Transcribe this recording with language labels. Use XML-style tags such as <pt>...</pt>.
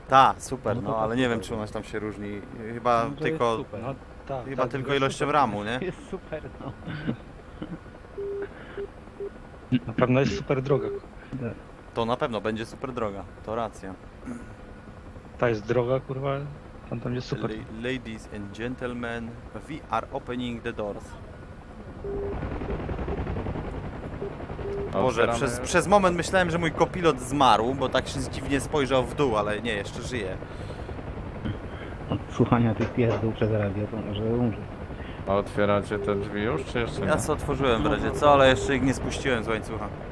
<pl>Ta, super, no ale nie wiem, czy u nas tam się różni. Chyba no tylko super, no, ta, chyba ta, tylko ilością super, RAM-u, nie? Jest super, no. Na pewno jest super droga. To na pewno będzie super droga, to racja. Ta jest droga, kurwa, tam jest super.</pl> <en>Ladies and gentlemen, we are opening the doors.</en> <pl>Boże, przez moment myślałem, że mój kopilot zmarł, bo tak się dziwnie spojrzał w dół, ale nie, jeszcze żyje. Od słuchania tych pierdół przez radio, to może umrze. A otwieracie te drzwi już, czy jeszcze nie? Ja se otworzyłem w razie co, ale jeszcze ich nie spuściłem z łańcucha.</pl>